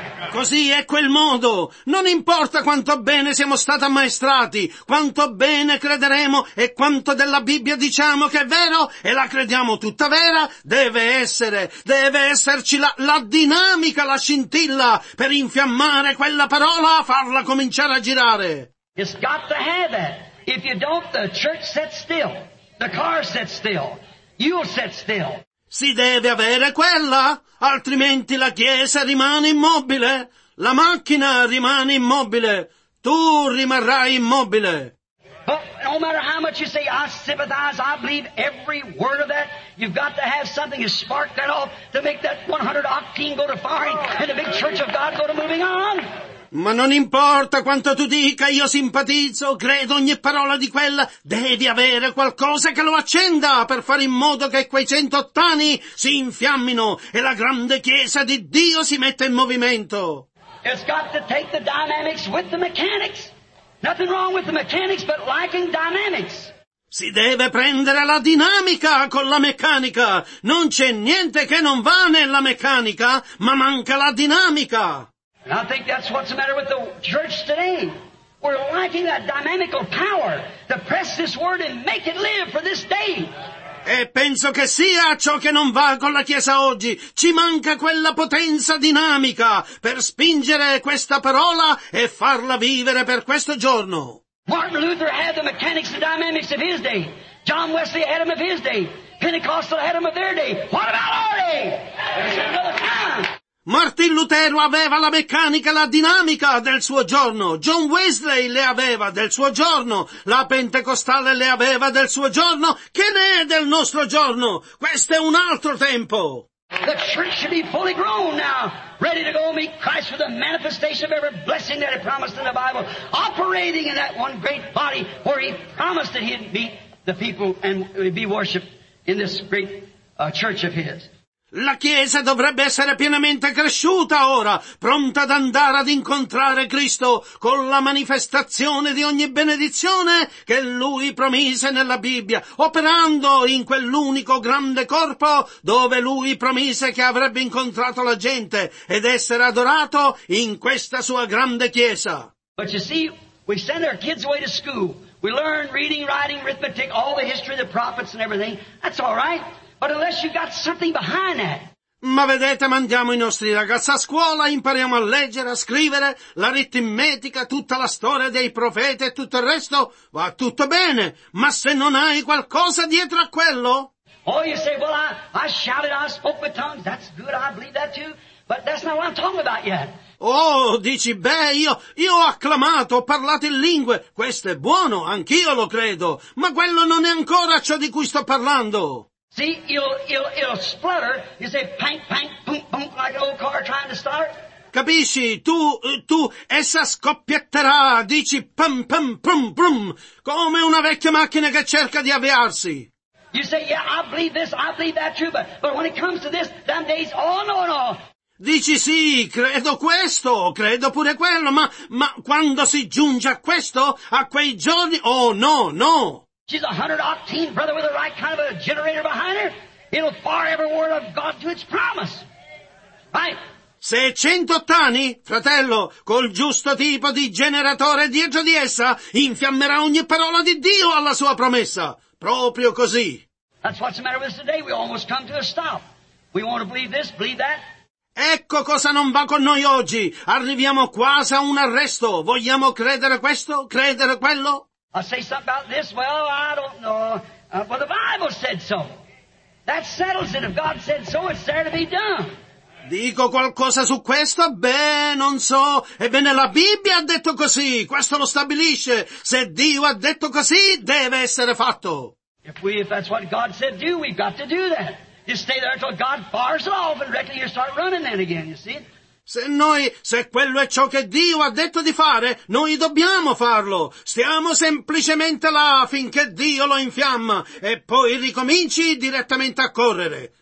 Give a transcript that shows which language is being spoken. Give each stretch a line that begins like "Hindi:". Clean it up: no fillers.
Italian: Così è quel modo. Non importa quanto bene siamo stati ammaestrati, quanto bene crederemo e quanto della Bibbia diciamo che è vero e la crediamo tutta vera, deve esserci la dinamica, la scintilla per infiammare quella parola, farla cominciare a girare.
English: It's got to have it. If you don't, the church sits still. The car sits still. You'll sit still.
Italian: Si deve avere quella, altrimenti la chiesa rimane immobile, la macchina rimane immobile, tu rimarrai immobile.
English: But no matter how much you say, I sympathize, I believe every word of that, you've got to have something to spark that off to make that 100 octane go to firing and the big church of God go to moving on.
Italian: Ma non importa quanto tu dica, io simpatizzo, credo ogni parola di quella, devi avere qualcosa che lo accenda per fare in modo che quei 100 ottani si infiammino e la grande chiesa di Dio si metta in movimento.
English: It's got to take the dynamics with the mechanics. Nothing wrong with the mechanics, but lacking dynamics.
Italian: Si deve prendere la dinamica con la meccanica. Non c'è niente che non va nella meccanica, ma manca la dinamica.
English: And I think that's what's the matter with the church today. We're lacking that dynamical power to press this word and make it live for this day.
Italian: E penso che sia ciò che non va con la Chiesa oggi. Ci manca quella potenza dinamica per spingere questa parola e farla vivere per questo giorno.
English: Martin Luther had the mechanics and dynamics of his day. John Wesley had them of his day. Pentecostal had them of their day. What about our day? It's another time.
Italian: Martin Lutero aveva la meccanica e la dinamica del suo giorno. John Wesley le aveva del suo giorno. La Pentecostale le aveva del suo giorno. Che ne è del nostro giorno? Questo è un altro tempo.
English: The church should be fully grown now, ready to go meet Christ with the manifestation of every blessing that He promised in the Bible, operating in that one great body where He promised that He'd meet the people and be worshipped in this great church of His.
Italian: La Chiesa dovrebbe essere pienamente cresciuta ora, pronta ad andare ad incontrare Cristo con la manifestazione di ogni benedizione che Lui promise nella Bibbia, operando in quell'unico grande corpo dove Lui promise che avrebbe incontrato la gente ed essere adorato in questa sua grande Chiesa.
English: But you see, we send our kids away to school. We learn reading, writing, arithmetic, all the history of the prophets and everything. That's all right. But unless you got something behind that.
Italian: Ma vedete, mandiamo i nostri ragazzi a scuola, impariamo a leggere, a scrivere, l'aritmetica, tutta la storia dei profeti e tutto il resto, va tutto bene. Ma se non hai qualcosa dietro a quello?
English: Oh, you say, well, I shouted, I spoke with tongues, that's good, I believe that too, but that's not what I'm talking about yet.
Italian: Oh, dici, beh, io ho acclamato, ho parlato in lingue, questo è buono, anch'io lo credo, ma quello non è ancora ciò di cui sto parlando.
English: See, it'll splutter. You say, pank, pank, boom, boom, like an old car trying to start.
Italian: Capisci? Tu, essa scoppietterà. Dici, pam, pam, pum, pum, come una vecchia macchina che cerca di avviarsi.
English: You say, yeah, I believe this, I believe that too, but when it comes to this, them days, oh, no, no.
Italian: Dici sì, credo questo, credo pure quello, ma quando si giunge a questo, a quei giorni, oh, no, no.
English: She's a 100-octane brother with the right kind of a generator behind her. It'll fire every word of God to its promise. Right?
Italian: Se è 100 ottani, fratello, col giusto tipo di generatore dietro di essa, infiammerà ogni parola di Dio alla sua promessa. Proprio così.
English: That's what's the matter with us today. We almost come to a stop. We want to believe this, believe that.
Italian: Ecco cosa non va con noi oggi. Arriviamo quasi a un arresto. Vogliamo credere questo, credere quello?
English: I say something about this, well, I don't know, but the Bible said so. That settles it. If God said so, it's there to be done.
Italian: Dico qualcosa su questo? Beh, non so. Ebbene, la Bibbia ha detto così. Questo lo stabilisce. Se Dio ha detto così, deve essere fatto.
English: If that's what God said do, we've got to do that. Just stay there until God fires it off and reckon you start running then again, you see?
Italian: Se quello è ciò che Dio ha detto di fare, noi dobbiamo farlo. Stiamo semplicemente là finché Dio lo infiamma e poi ricominci direttamente a correre.